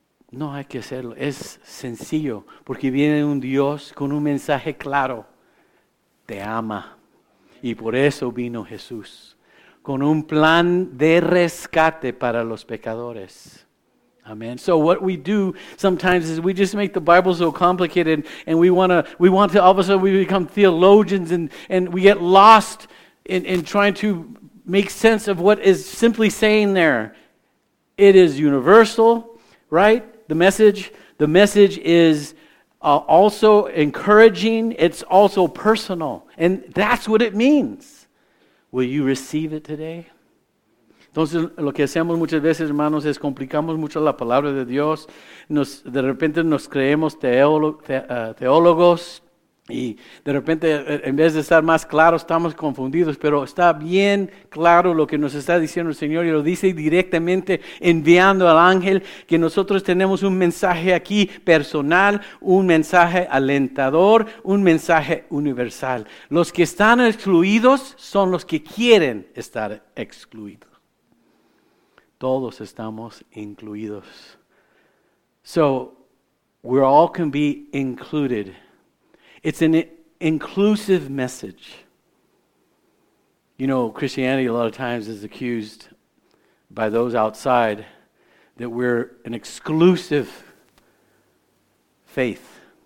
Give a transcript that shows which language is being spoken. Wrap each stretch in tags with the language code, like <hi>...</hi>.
<es>No hay que hacerlo, es sencillo, porque viene un Dios con un mensaje claro. Te ama, y por eso vino Jesús. Con un plan de rescate para los pecadores. Amen.</es> <en>So what we do sometimes is we just make the Bible so complicated and we want to all of a sudden we become theologians and we get lost in trying to make sense of what is simply saying there. It is universal, right? The message is also encouraging. It's also personal. And that's what it means. Will you receive it today?</en> <es>Entonces, lo que hacemos muchas veces, hermanos, es complicamos mucho la palabra de Dios. De repente nos creemos teólogos y de repente, en vez de estar más claros, estamos confundidos. Pero está bien claro lo que nos está diciendo el Señor y lo dice directamente enviando al ángel que nosotros tenemos un mensaje aquí personal, un mensaje alentador, un mensaje universal. Los que están excluidos son los que quieren estar excluidos. Todos estamos incluidos.</es> <en>So, we all can be included. It's an inclusive message. You know, Christianity a lot of times is accused by those outside that we're an exclusive faith.</en>